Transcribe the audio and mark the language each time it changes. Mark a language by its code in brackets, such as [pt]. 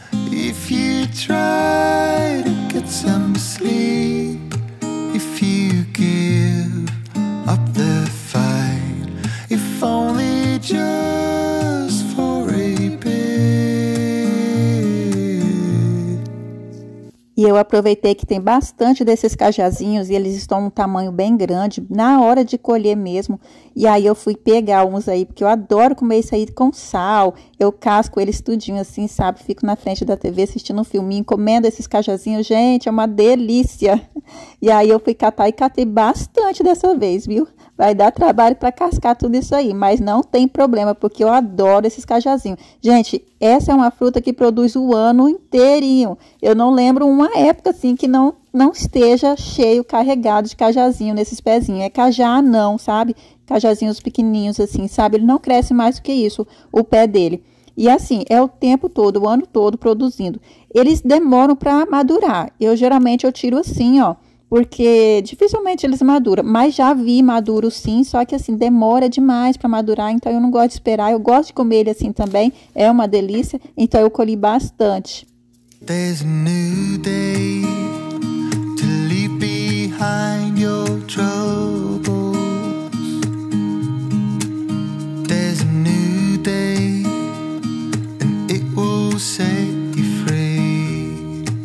[en] If you try to get some sleep, if you give up the fight, if only just for a bit. [pt] E eu aproveitei que tem bastante desses cajazinhos e eles estão num tamanho bem grande, na hora de colher mesmo. E aí eu fui pegar uns aí, porque eu adoro comer isso aí com sal. Eu casco eles tudinho assim, sabe? Fico na frente da TV assistindo um filminho, comendo esses cajazinhos. Gente, é uma delícia! E aí eu fui catar e catei bastante dessa vez, viu? Vai dar trabalho para cascar tudo isso aí, mas não tem problema, porque eu adoro esses cajazinhos. Gente, essa é uma fruta que produz o ano inteirinho. Eu não lembro uma época assim que não esteja cheio, carregado de cajazinho nesses pezinhos. É cajá, não, sabe? Cajazinhos pequenininhos assim, sabe? Ele não cresce mais do que isso, o pé dele. E assim, é o tempo todo, o ano todo produzindo. Eles demoram para madurar. Eu geralmente eu tiro assim, ó, porque dificilmente eles maduram, mas já vi maduro sim, só que assim, demora demais para madurar, então eu não gosto de esperar, eu gosto de comer ele assim também, é uma delícia, então eu colhi bastante. [en] There's a new day to leave behind your troubles. There's a new day and it will set you free.